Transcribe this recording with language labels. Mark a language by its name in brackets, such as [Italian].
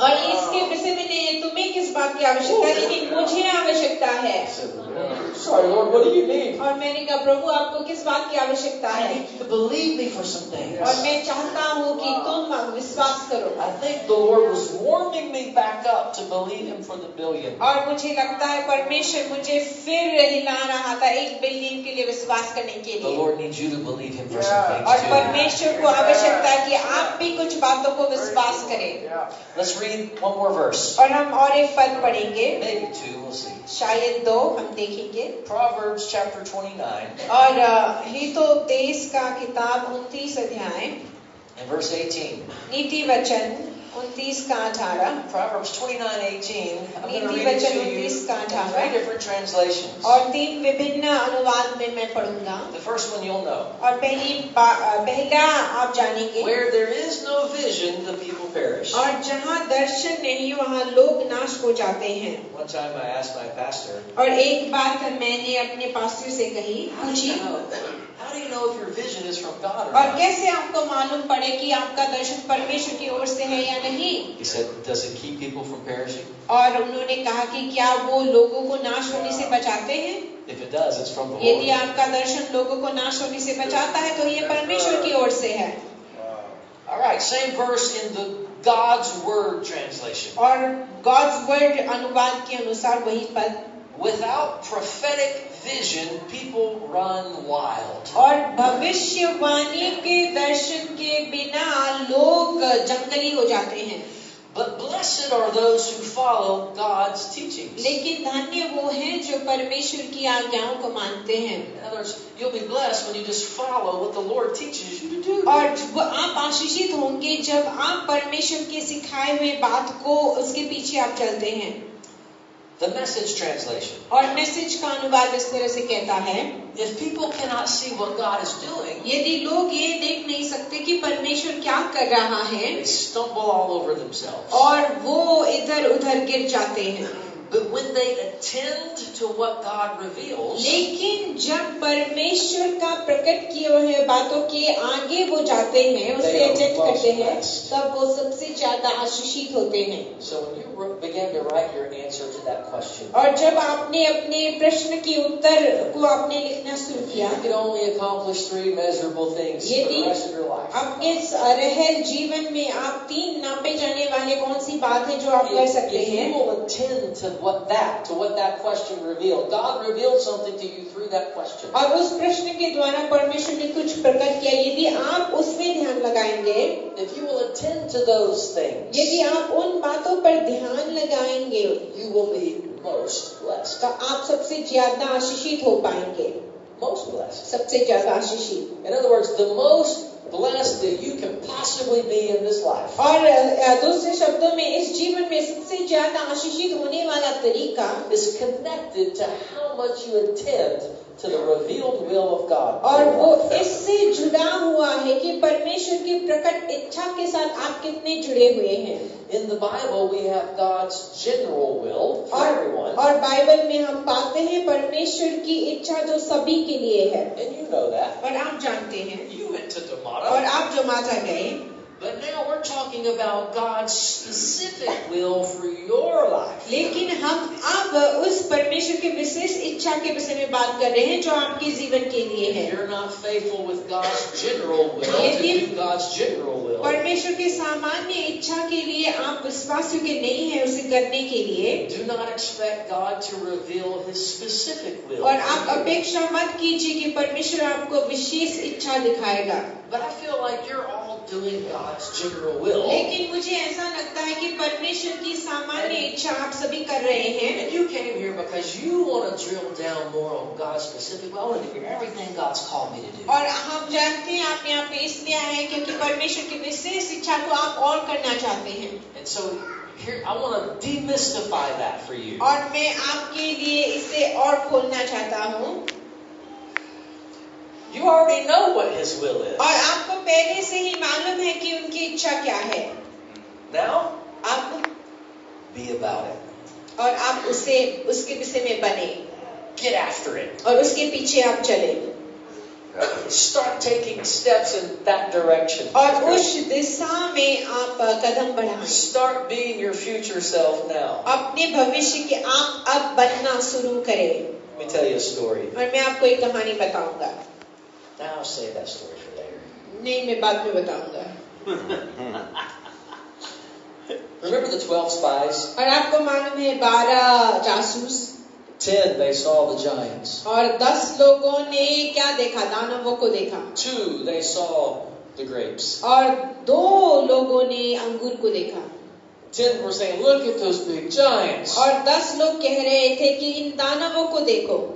[Hindi] और इसके विषय में नहीं, तुम्हें किस बात की आवश्यकता, लेकिन मुझे आवश्यकता है. [English] Sorry, Lord, what do you need? [Hindi] और मैंने कहा, प्रभु आपको किस बात की आवश्यकता है? [English] I need you to believe me for something. Yes. [Hindi] और मैं चाहता हूँ कि तुम विश्वास करो. [English] I think the Lord was warming me back up to believe him for the billion. [Hindi] और मुझे लगता है परमेश्वर मुझे फिर हिला रहा था 1 बिलियन के लिए विश्वास करने के लिए. [English] The Lord needs you to believe him for some things. [Hindi] और परमेश्वर को आवश्यकता है कि आप भी कुछ बातों को विश्वास करें. [English] Let's read one more verse. [Hindi] और हम और एक पद पढ़ेंगे. [English] Maybe two, we'll see. [Hindi] शायद दो हम देखेंगे. [English] Proverbs chapter 29. [Hindi] और हितो देश का किताब 29 अध्याय. [English] And verse 18. [Hindi] नीति वचन 29 का 18. [English] Proverbs 29:18. [Hindi] नीति वचन 29 का 18. [English] Three different translations. [Hindi] और तीन विभिन्न अनुवाद में मैं पढूंगा. [English] The first one you'll know. [Hindi] और पहला आप जानेंगे. [English] Where there is no vision, the people perish. [Hindi] और जहां दर्शन नहीं, वहां लोग नाश हो जाते हैं. [English] One time I asked my pastor. [Hindi] और एक बार मैंने अपने पास्टर से कही, पूछी. [English] How do you know if your vision is from God or not? [Hindi] और कैसे आपको मालूम पड़े कि आपका दर्शन परमेश्वर की ओर से है या नहीं? [English] He said, does it keep people from perishing? [Hindi] और उन्होंने कहा कि क्या वो लोगों को नाश होने से बचाते हैं? [English] If it does, it's from the Lord. [Hindi] यदि आपका दर्शन लोगों को नाश होने से बचाता है, तो ये परमेश्वर की ओर से है. [English] All right, same verse in the God's Word translation. [Hindi] और God's Word अनुवाद के अनुसार वही पद. [English] Without prophetic vision, people run wild. [Hindi] और भविष्यवाणी के दर्शन के बिना लोग जंगली हो जाते हैं. [English] But blessed are those who follow God's teachings. [Hindi] लेकिन धन्य वो हैं जो परमेश्वर की आज्ञाओं को मानते हैं. [English] In other words, you'll be blessed when you just follow what the Lord teaches you to do. [Hindi] और आप आशीषित होंगे जब आप परमेश्वर के सिखाए हुए बात को उसके पीछे आप चलते हैं. [English] The message translation. [Hindi] और मैसेज का अनुवाद इस तरह से कहता है, [English] if people cannot see what God is doing, [Hindi] यदि लोग ये देख नहीं सकते कि परमेश्वर क्या कर रहा है, [English] they stumble all over themselves. [Hindi] और वो इधर उधर गिर जाते हैं. [English] But when they attend to what God reveals, [Hindi] लेकिन जब परमेश्वर का प्रकट किए हुए बातों के आगे वो जाते हैं, उसे अटेंड करते हैं, तब वो सबसे ज्यादा आशीषित होते हैं. [English] So when you began to write your answer to that question, [Hindi] और जब आपने अपने प्रश्न के उत्तर को आपने लिखना शुरू किया, [English] you could only accomplish three measurable things for the rest of your life. [Hindi] अपने रहेल जीवन में आप तीन नापे जाने वाले कौन सी बात है जो आप कर सकते हैं? [English] To what that question revealed. God revealed something to you through that question. [Hindi] और उस प्रश्न के द्वारा परमेश्वर ने कुछ प्रकट किया. यदि आप उसमें ध्यान लगाएंगे, [English] if you will attend to those things, [Hindi] यदि आप उन बातों पर ध्यान लगाएंगे, [English] you will be most blessed. [Hindi] तो आप सबसे ज्यादा आशीषित हो पाएंगे. [English] Most blessed. [Hindi] सबसे ज्यादा आशीषित. [English] In other words, the most blessed that you can possibly be in this life. [Hindi] और दूसरे शब्दों में इस जीवन में सबसे ज्यादा आशीषित होने वाला तरीका [English] is connected to how much you attend to the revealed will of God. [Hindi] और वो इससे जुड़ा हुआ है कि परमेश्वर की प्रकट इच्छा के साथ आप कितने जुड़े हुए हैं. [English] In the Bible, we have God's general will for everyone. [Hindi] और बाइबल में हम पाते हैं परमेश्वर की इच्छा जो सभी के लिए है. [English] And you know that. [Hindi] और आप जानते हैं. [English] You went to Jamaica. [Hindi] और आप जमाता गए. [English] But now we're talking about God's specific will for your life. [Hindi] लेकिन हम अब उस परमेश्वर के विशेष इच्छा के विषय में बात कर रहे हैं जो आपके जीवन के लिए है. [English] You're not faithful with God's general will. [Hindi] लेकिन [English] God's general will. [Hindi] परमेश्वर के सामान्य इच्छा के लिए आप विश्वास योग्य नहीं है उसे करने के लिए. [English] Do not expect God to reveal His specific will. [Hindi] और आप अपेक्षा मत कीजिए कि परमेश्वर आपको विशेष इच्छा दिखाएगा. [English] But I feel like you're all doing God's general will. [Hindi] लेकिन मुझे ऐसा लगता है कि परमेश्वर की सामान्य इच्छा आप सभी कर रहे हैं. [English] And you came here because you want to drill down more on God's specific will and do everything God's called me to do. [Hindi] और हम जानते हैं आप यहाँ पे इसलिए आए हैं क्योंकि परमेश्वर की विशेष इच्छा को आप और करना चाहते हैं. [English] And so Here, I want to demystify that for you. [Hindi] और मैं आपके लिए इसे और खोलना चाहता हूँ. [English] You already know what His will is. [Hindi] और आपको पहले से ही मालूम है कि उनकी इच्छा क्या है. [English] Now, [Hindi] आप [English] be about it. [Hindi] और आप उसे उसके विषय में बने. [English] Get after it. [Hindi] और उसके पीछे आप चले. [English] Start taking steps in that direction. [Hindi] और उस दिशा में आप कदम बढ़ाएं. [English] Start being your future self now. [Hindi] अपने भविष्य के आप अब बनना शुरू करें. [English] Let me tell you a story. [Hindi] और मैं आपको एक कहानी बताऊंगा. [English] I'll save that story for later. [Hindi] नहीं, मैं बाद में बताऊंगा. [English] Remember the 12 spies? [Hindi] और आपको मालूम है 12 जासूस? [English] 10, they saw the giants. [Hindi] और 10 लोगों ने क्या देखा? दानवों को देखा. [English] 2, they saw the grapes. [Hindi] और 2 लोगों ने अंगूर को देखा. [English] 10 were saying, look at those big giants. [Hindi] और 10 लोग कह रहे थे कि इन दानवों को देखो.